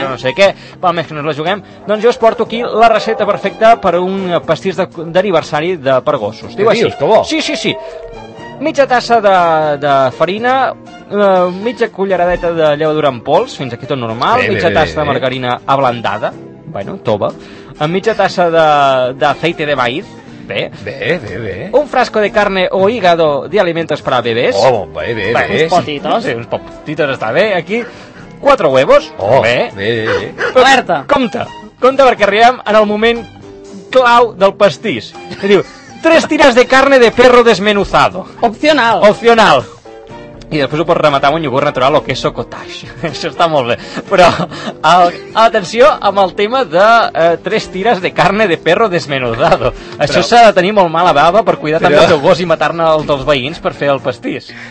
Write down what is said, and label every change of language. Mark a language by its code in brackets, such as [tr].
[ca] no sé què, val més que no la juguem, doncs jo us porto aquí la recepta perfecta per un pastís d'aniversari per gossos. Diu així. Sí, sí, sí. Mitja tassa de farina, mitja culleradeta de llevadura en pols, fins aquí tot normal, mitja tassa de margarina ablandada, bueno, tova, amb mitja tassa d' [es] aceite de maíz, [ca] bé. [es] Un frasco de carne o hígado de alimentos para bebés. [ca] Oh, bé. Uns potitos. Sí, uns potitos està bé, aquí. [es] 4 huevos. [ca] Oh, bé. Alerta. Compte, perquè arribem en el moment clau del pastís. Que diu... [es] 3 tiras de carne de perro desmenuzado. Opcional. [ca] I després ho pots rematar amb un iogurt natural o [es] queso cottage. [ca] Això està molt bé. Però, atenció amb el tema de [es] 3 tiras de carne de perro desmenuzado. [ca] Això s'ha de tenir molt mala baba per cuidar també el teu gos i matar-ne el dels veïns per fer el pastís.